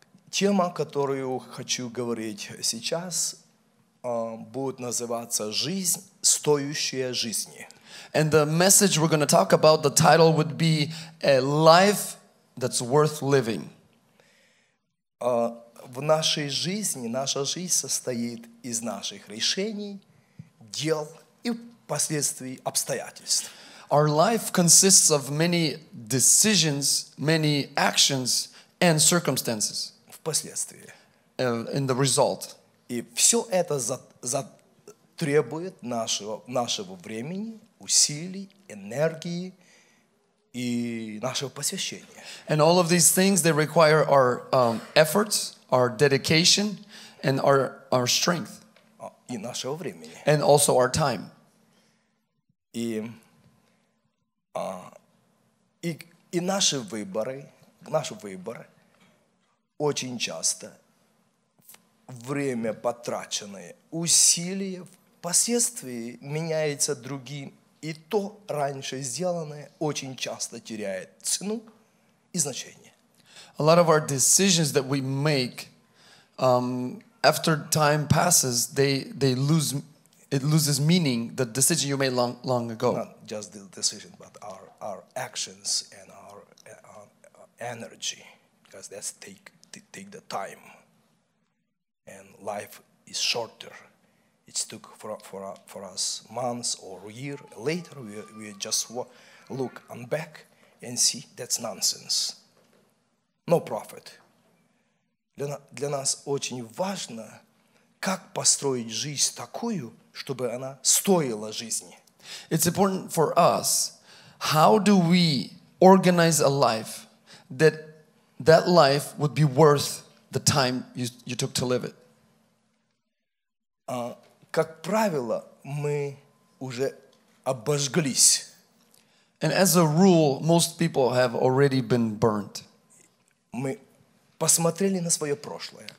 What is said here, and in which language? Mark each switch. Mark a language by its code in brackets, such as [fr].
[ru] Тема, которую хочу говорить сейчас, будет называться «Жизнь, стоящая жизни». [en] And the message we're going to talk about, the title would be «A life that's worth living». [ru] В нашей жизни, наша жизнь состоит из наших решений, дел и последствий обстоятельств. [en] Our life consists of many decisions, many actions and circumstances. [ru] Впоследствии. [en] In the result. [ru] И все это затребует нашего времени, усилий, энергии и нашего посвящения. [en] And all of these things, they require our efforts, our dedication, and our strength. [ru] И нашего времени. [en] And also our time. [ru] И наши выборы очень часто время потраченное, усилия, впоследствии меняется другим. И то раньше сделанное очень часто теряет цену и значение. [en] A lot of our decisions that we make, after time passes, it loses meaning, the decision you made long ago. Not just the decision, but our actions and our energy, because that's take the time. And life is shorter. It took for us months or year later. We just look on back and see that's nonsense. No profit. [ru] Для нас очень важно, как построить жизнь такую, чтобы она стоила жизни. [en] It's important for us. How do we organize a life that life would be worth the time you took to live it? [ru] Как правило, мы уже обожглись. [en] And as a rule, most people have already been burnt. [ru] Мы посмотрели на свое прошлое.